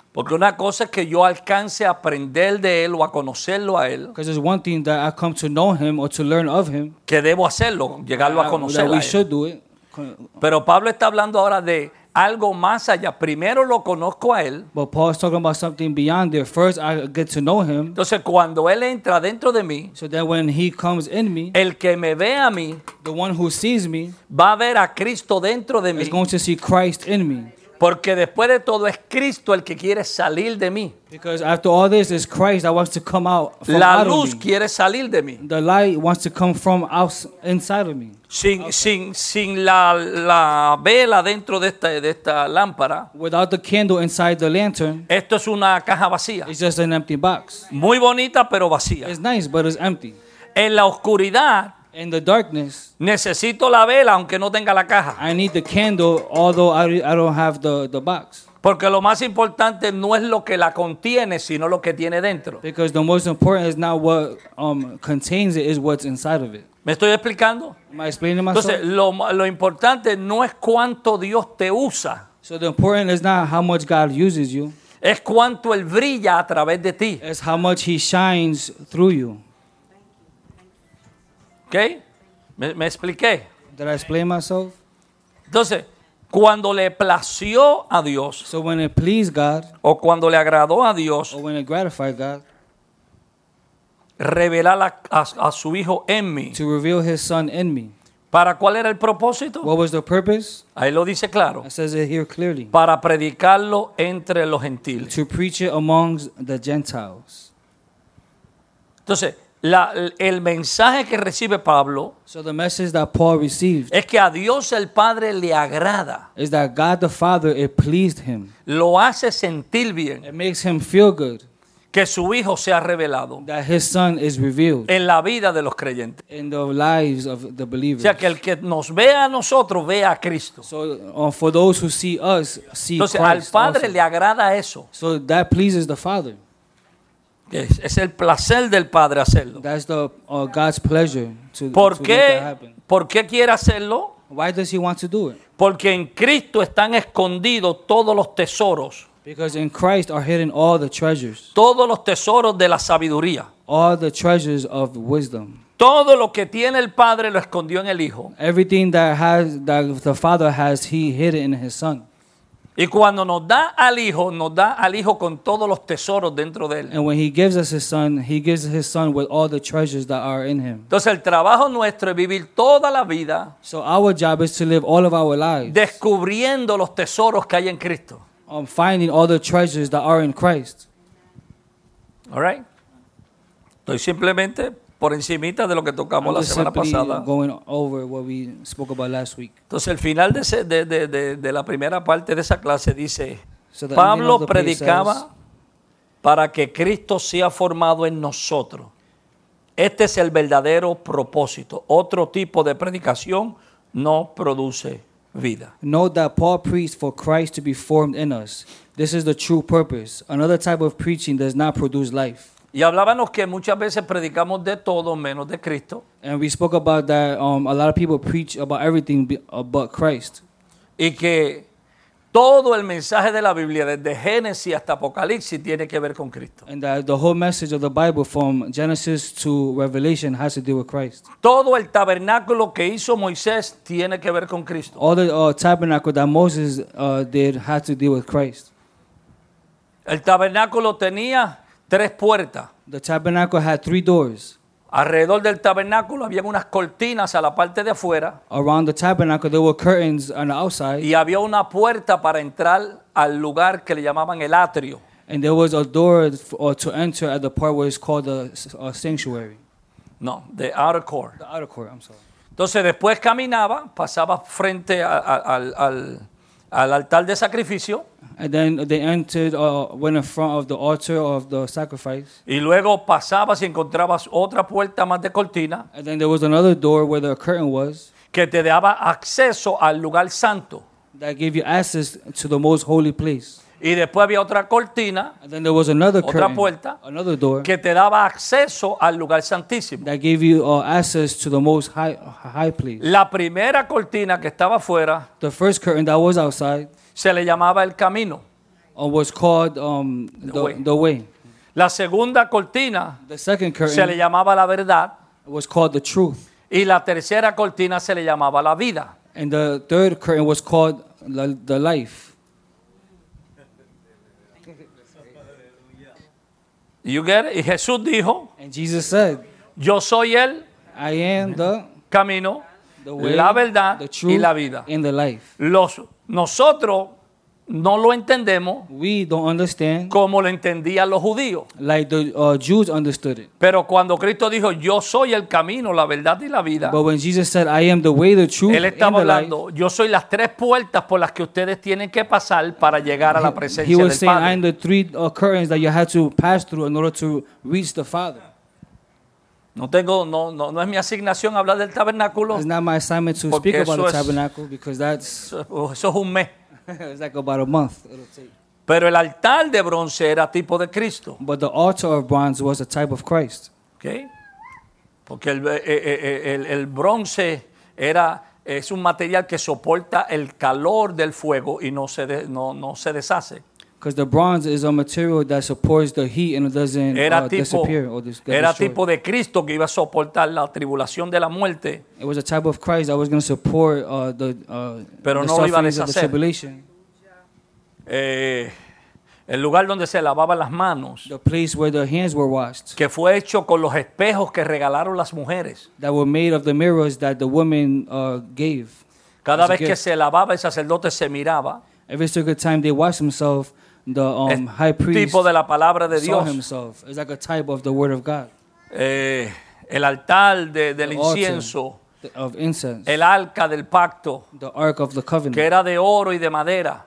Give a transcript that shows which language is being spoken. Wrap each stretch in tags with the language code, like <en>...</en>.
<es>Porque una cosa es que yo alcance a aprender de él o a conocerlo a él.</es> <en>Because there's one thing that I come to know him or to learn of him.</en> <es>Que debo hacerlo, llegarlo a conocerlo.</es> <en>That we should do it.</en> <es>Pero Pablo está hablando ahora de algo más allá. Primero lo conozco a él.</es> <en>But Paul's talking about something beyond there. First I get to know him.</en> <es>Entonces cuando él entra dentro de mí.</es> <en>So that when he comes in me.</en> <es>El que me ve a mí.</es> <en>The one who sees me.</en> <es>Va a ver a Cristo dentro de mí.</es> <en>Is going to see Christ in me.</en> <es>Porque después de todo es Cristo el que quiere salir de mí.</es> <en>Because after all this is Christ that wants to come out from</en> <es>La luz</es> <en>out of me.</en> <es>Quiere salir de mí.</es> <en>The light wants to come from out, inside of me.</en> <es>Sin, okay. sin la vela dentro de esta lámpara.</es> <en>Without the candle inside the lantern.</en> <es>Esto es una caja vacía.</es> <en>It's just an empty box.</en> <es>Muy bonita pero vacía.</es> <en>It's nice but it's empty.</en> <es>En la oscuridad.</es> <en>In the darkness,</en> <es>necesito la vela aunque no tenga la caja.</es> <en>I need the candle, although I don't have the box.</en> <es>Porque lo más importante no es lo que la contiene, sino lo que tiene dentro.</es> <en>Because the most important is not what contains it, is what's inside of it.</en> <es>¿Me estoy explicando?</es> <en>Am I explaining myself?</en> <es>Entonces, lo importante no es cuánto Dios te usa.</es> <en>So the important is not how much God uses you.</en> <es>Es cuánto él brilla a través de ti.</es> <en>It's how much he shines through you.</en> <es>Okay. ¿Me expliqué?</es> <en>Did I explain myself?</en> <es>Entonces, cuando le plació a Dios,</es> <en>so when it pleased God,</en> <es>o cuando le agradó a Dios,</es> <en>or when it gratified God,</en> <es>revelar a su hijo en mí,</es> <en>to reveal his son in me.</en> <es>¿Para cuál era el propósito?</es> <en>What was the purpose?</en> <es>Ahí lo dice claro.</es> <en>It says it here clearly.</en> <es>Para predicarlo entre los gentiles.</es> <en>To preach it amongst the Gentiles.</en> <es>Entonces, el mensaje que recibe Pablo,</es> <en>so the message that Paul received,</en> <es>es que a Dios el Padre le agrada.</es> <en>Is that God the Father, it pleased him.</en> <es>Lo hace sentir bien.</es> <en>It makes him feel good.</en> <es>Que su hijo sea revelado.</es> <en>That his son is revealed.</en> <es>En la vida de los creyentes.</es> <en>In the lives of the believers.</en> <es>O sea, que el que nos vea a nosotros vea a Cristo.</es> <en>So for those who see us, see</en> <es>Entonces,</es> <en>Christ.</en> <es>Entonces al Padre</es> <en>also.</en> <es>Le agrada eso.</es> <en>So that pleases the Father.</en> <es>Es el placer del Padre hacerlo.</es> <en>That's the God's pleasure to,</en> <es>¿Por qué?</es> <en>To make that happen.</en> <es>¿Por qué quiere hacerlo?</es> <en>Why does he want to do it?</en> <es>Porque en Cristo están escondidos todos los tesoros.</es> <en>Because in Christ are hidden all the treasures.</en> <es>Todos los tesoros de la sabiduría.</es> <en>All the treasures of wisdom.</en> <es>Todo lo que tiene el Padre lo escondió en el Hijo.</es> <en>Everything that has that the Father has he hidden in his Son.</en> <es>Y cuando nos da al Hijo con todos los tesoros dentro de él.</es> <en>And when he gives us his son, he gives his son with all the treasures that are in him.</en> <es>Entonces el trabajo nuestro es vivir toda la vida.</es> <en>So our job is to live all of our lives.</en> <es>Descubriendo los tesoros que hay en Cristo.</es> <en>Finding all the treasures that are in Christ. All right.</en> <es>Estoy simplemente por encimita de lo que tocamos</es> <en>I'm</en> <es>la semana pasada.</es> <en>Going over what we spoke about last week.</en> <es>Entonces el final de la primera parte de esa clase dice, so Pablo predicaba para que Cristo sea formado en nosotros. Este es el verdadero propósito. Otro tipo de predicación no produce vida.</es> <en>Note that Paul preached for Christ to be formed in us. This is the true purpose. Another type of preaching does not produce life.</en> <es>Y hablábamos que muchas veces predicamos de todo menos de Cristo.</es> <en>And we spoke about that a lot of people preach about everything but Christ.</en> <es>Y que todo el mensaje de la Biblia desde Génesis hasta Apocalipsis tiene que ver con Cristo.</es> <en>And that the whole message of the Bible from Genesis to Revelation has to do with Christ.</en> <es>Todo el tabernáculo que hizo Moisés tiene que ver con Cristo.</es> <en>All the tabernacle that Moses did had to do with Christ.</en> <es>El tabernáculo tenía tres puertas.</es> <en>The tabernacle had three doors.</en> <es>Alrededor del tabernáculo había unas cortinas a la parte de afuera.</es> <en>Around the tabernacle there were curtains on the outside.</en> <es>Y había una puerta para entrar al lugar que le llamaban el atrio.</es> <en>And there was a door to enter at the part where it's called the sanctuary. No, the outer court. The outer court, I'm sorry.</en> <es>Entonces después caminaba, pasaba frente al altar de sacrificio.</es> <en>And then they entered or went in front of the altar of the sacrifice.</en> <es>Y luego pasabas y encontrabas otra puerta más de cortina.</es> <en>And then there was another door where the curtain was.</en> <es>Que te daba acceso al lugar santo.</es> <en>That gave you access to the most holy place.</en> <es>Y después había otra cortina.</es> <en>And then there was another</en> <es>otra</es> <en>curtain.</en> <es>Puerta,</es> <en>another door.</en> <es>Que te daba acceso al lugar santísimo.</es> <en>That gave you access to the most high place.</en> <es>La primera cortina que estaba fuera.</es> <en>The first curtain that was outside.</en> <es>Se le llamaba el camino.</es> <en>or was called the way.</en> <es>La segunda cortina,</es> <en>the second curtain,</en> <es>se le llamaba la verdad,</es> <en>was called the truth.</en> <es>Y la tercera cortina se le llamaba la vida.</es> <en>And the third curtain was called the life. You get it?</en> <es>Y Jesús dijo,</es> <en>and Jesus said,</en> <es>yo soy el camino,</es> <en>the way,</en> <es>la verdad,</es> <en>the truth,</en> <es>y la vida.</es> <en>And the life.</en> <es>Nosotros no lo entendemos,</es> <en>we don't understand,</en> <es>como lo entendían los judíos,</es> <en>like the Jews understood it.</en> <es>Pero cuando Cristo dijo, yo soy el camino, la verdad y la vida,</es> <en>but when Jesus said, I am the way, the truth,</en> <es>él estaba</es> <en>and</en> <es>hablando,</es> <en>the life,</en> <es>yo soy las tres puertas por las que ustedes tienen que pasar para llegar a la presencia del</es> <en>saying,</en> <es>Padre.</es> <en>He was saying, I am the three curtains that you had to pass through in order to reach the Father.</en> <es>No es mi asignación hablar del tabernáculo.</es> <en>It's not my assignment to speak about the tabernacle because that's</en> <es>eso es un mes.</es> <en>It's like about a month.</en> <es>Pero el altar de bronce era tipo de Cristo.</es> <en>But the altar of bronze was a type of Christ. Okay.</en> <es>Porque el bronce es un material que soporta el calor del fuego y no se deshace.</es> <en>Because the bronze is a material that supports the heat and it doesn't disappear or get destroyed.</en> <es>Era tipo de Cristo que iba a soportar la tribulación de la muerte.</es> <en>It was a type of Christ that was going to support the sufferings of the tribulation.</en> <es>El lugar donde se lavaban las manos.</es> <en>The place where the hands were washed.</en> <es>Que fue hecho con los espejos que regalaron las mujeres.</es> <en>That were made of the mirrors that the women gave.</en> <es>Cada vez que se lavaba el sacerdote se miraba.</es> <en>Every single time they washed themselves, the high priest</en> <es>tipo de la palabra de</es> <en>saw</en> <es>Dios.</es> <en>Himself. It's like a type of the word of God.</en> <es>El altar del incienso.</es> <en>Of incense.</en> <es>El arca del pacto.</es> <en>The ark of the covenant.</en> <es>Que era de oro y de madera.</es>